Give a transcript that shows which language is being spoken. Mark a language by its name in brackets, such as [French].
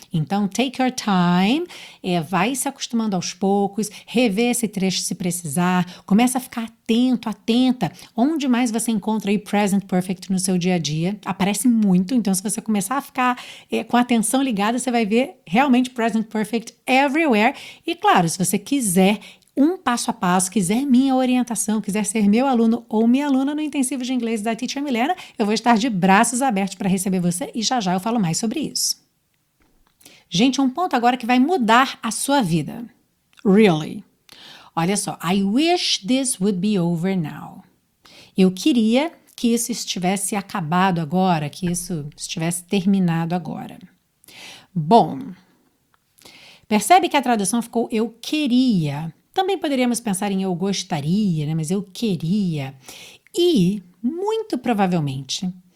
[Portuguese] Então, [English] take your time, [Portuguese] vai se acostumando aos poucos, revê esse trecho se precisar, começa a ficar atento, atenta, onde mais você encontra aí present perfect no seu dia a dia, aparece muito, então se você começar a ficar com a atenção ligada, você vai ver realmente [English] present perfect everywhere, [Portuguese] e claro, se você quiser um passo a passo, quiser minha orientação, quiser ser meu aluno ou minha aluna no intensivo de inglês da Teacher Milena, eu vou estar de braços abertos para receber você e já já eu falo mais sobre isso. Gente, um ponto agora que vai mudar a sua vida. [English] Really. [Portuguese] Olha só. [English] I wish this would be over now. [Portuguese] Eu queria que isso estivesse acabado agora, que isso estivesse terminado agora. Bom, percebe que a tradução ficou eu queria. Também poderíamos pensar em eu gostaria, né? Mas eu queria. E, muito provavelmente,